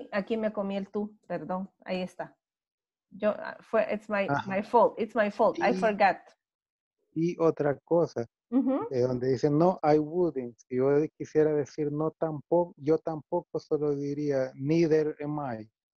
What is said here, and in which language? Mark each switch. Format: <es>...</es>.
<es>Sí, aquí me comí el tú, perdón, ahí está.</es> <en>Yo, it's my fault, it's my fault, y, I forgot.</en> <es>Y otra cosa, donde dice</es> <en>no, I wouldn't.</en> <es>Si yo quisiera decir no tampoco, yo tampoco solo diría</es> <en>neither am I.</en>